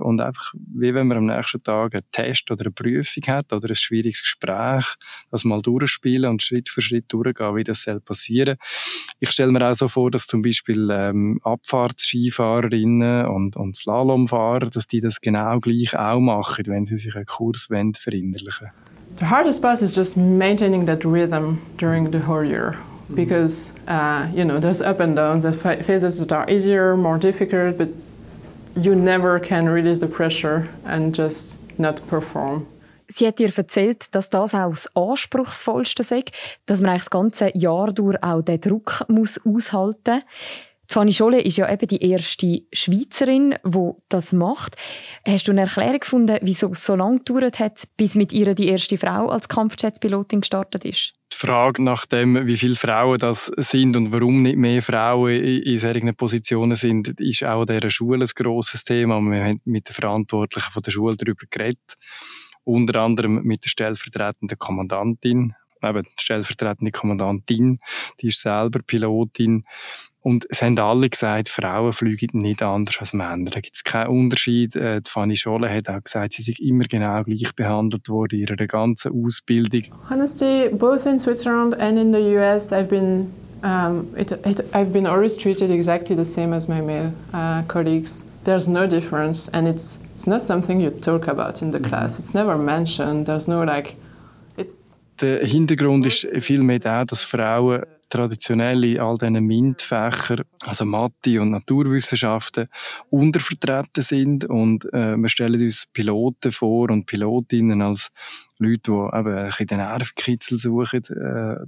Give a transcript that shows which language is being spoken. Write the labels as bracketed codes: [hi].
[de] Und einfach, wie wenn man am nächsten Tag einen Test oder eine Prüfung hat oder ein schwieriges Gespräch, das mal durchspielen und Schritt für Schritt durchgehen, wie das passieren soll. Ich stelle mir auch so vor, dass zum Beispiel Abfahrtsskifahrerinnen und Slalomfahrer, dass die das genau gleich auch machen, wenn sie sich einen Kurs verinnerlichen wollen. [en] The hardest part is just maintaining that rhythm during the whole year. Because, you know, there's up and down, there's phases that are easier, more difficult, but you never can release the pressure and just not perform. [de] Sie hat ihr erzählt, dass das auch das Anspruchsvollste sei, dass man eigentlich das ganze Jahr durch auch den Druck muss aushalten muss. Fanny Scholle ist ja eben die erste Schweizerin, die das macht. Hast du eine Erklärung gefunden, wieso es so lange gedauert hat, bis mit ihr die erste Frau als Kampfjet-Pilotin gestartet ist? Die Frage nach dem, wie viele Frauen das sind und warum nicht mehr Frauen in solchen Positionen sind, ist auch an dieser Schule ein grosses Thema. Wir haben mit den Verantwortlichen von der Schule darüber geredet. unter anderem mit der stellvertretenden Kommandantin. Eben, die stellvertretende Kommandantin, die ist selber Pilotin. Und es haben alle gesagt, Frauen fliegen nicht anders als Männer. Da gibt es keinen Unterschied. Fanny Scholle hat auch gesagt, sie sind immer genau gleich behandelt worden in ihrer ganzen Ausbildung. [en] Honestly, both in Switzerland and in the US, I've been always treated exactly the same as my male colleagues. There's no difference and it's not something you talk about in the class. It's never mentioned. There's no like... [de] Der Hintergrund ist vielmehr auch, dass Frauen traditionell in all diesen MINT-Fächern, also Mathe und Naturwissenschaften, untervertreten sind. Und wir stellen uns Piloten vor und Pilotinnen als Leute, die eben ein bisschen den Nervenkitzel suchen.